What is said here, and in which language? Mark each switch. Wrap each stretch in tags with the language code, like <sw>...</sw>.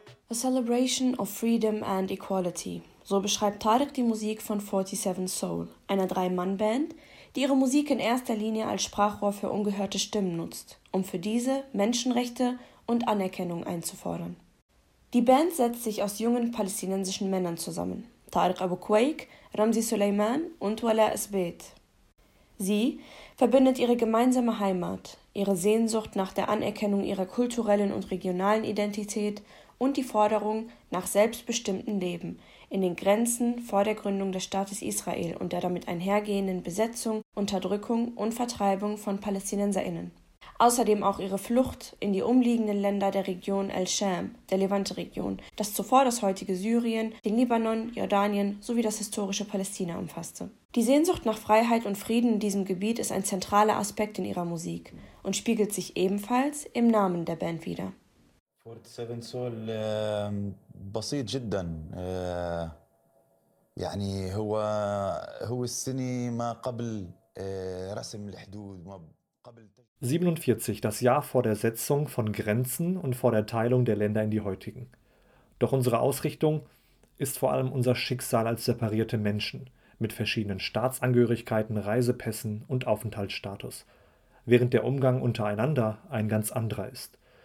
<en>A celebration of freedom and equality.</en> <de>So beschreibt Tarek die Musik von 47 Soul, einer 3-Mann-Band, die ihre Musik in erster Linie als Sprachrohr für ungehörte Stimmen nutzt, um für diese Menschenrechte und Anerkennung einzufordern. Die Band setzt sich aus jungen palästinensischen Männern zusammen, Tarek Abu Kuwaik, Ramzi Suleiman und Wala Esbeit. Sie verbindet ihre gemeinsame Heimat, ihre Sehnsucht nach der Anerkennung ihrer kulturellen und regionalen Identität und die Forderung nach selbstbestimmtem Leben in den Grenzen vor der Gründung des Staates Israel und der damit einhergehenden Besetzung, Unterdrückung und Vertreibung von PalästinenserInnen. Außerdem auch ihre Flucht in die umliegenden Länder der Region El-Sham, der Levante-Region, das zuvor das heutige Syrien, den Libanon, Jordanien sowie das historische Palästina umfasste. Die Sehnsucht nach Freiheit und Frieden in diesem Gebiet ist ein zentraler Aspekt in ihrer Musik und spiegelt sich ebenfalls im Namen der Band wider.</de> <ar>47 Soul بسيط جدا يعني هو السنه ما قبل رسم الحدود ما قبل</ar> <de>47, das Jahr vor der Setzung von Grenzen und vor der Teilung der Länder in die heutigen. Doch unsere Ausrichtung ist vor allem unser Schicksal als separierte Menschen mit verschiedenen Staatsangehörigkeiten, Reisepässen und Aufenthaltsstatus, während der Umgang untereinander ein ganz anderer ist.</de>